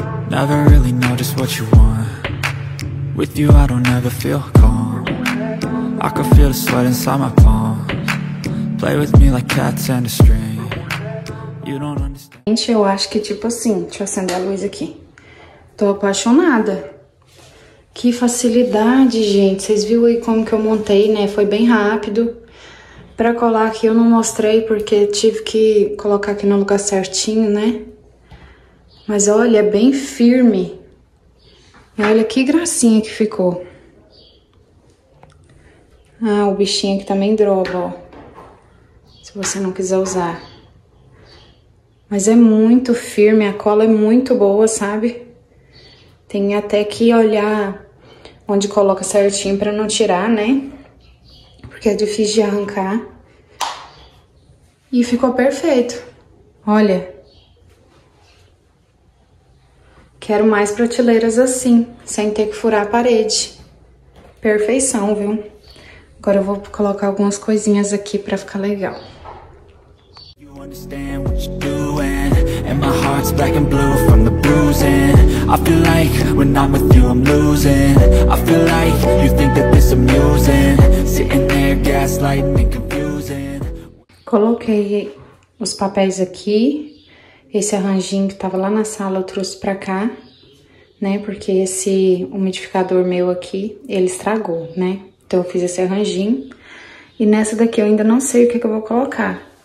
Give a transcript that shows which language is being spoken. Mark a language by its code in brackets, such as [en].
[en] Never really know just what you want. With you I don't ever feel calm. I can feel the sweat inside my palms. Play with me like cats and a string. You don't understand. [pt] Gente, eu acho que tipo assim, deixa eu acender a luz aqui. Tô apaixonada. Que facilidade, gente. Vocês viram aí como que eu montei, né? Foi bem rápido. Pra colar aqui eu não mostrei porque tive que colocar aqui no lugar certinho, né? Mas olha, é bem firme. E olha que gracinha que ficou. Ah, o bichinho aqui também droga, ó. Se você não quiser usar. Mas é muito firme, a cola é muito boa, sabe? Tem até que olhar onde coloca certinho pra não tirar, né? Porque é difícil de arrancar. E ficou perfeito. Olha. Quero mais prateleiras assim, sem ter que furar a parede. Perfeição, viu? Agora eu vou colocar algumas coisinhas aqui pra ficar legal. [en] You understand what you're doing, and my heart's black and blue from the bruising. I feel like when I'm with you I'm losing. I feel like you think that this amusing. Sitting there gaslighting and confusing. [pt] Coloquei os papéis aqui. Esse arranjinho que tava lá na sala eu trouxe pra cá, né? Porque esse umidificador meu aqui, ele estragou, né? Então eu fiz esse arranjinho. E nessa daqui eu ainda não sei o que que eu vou colocar.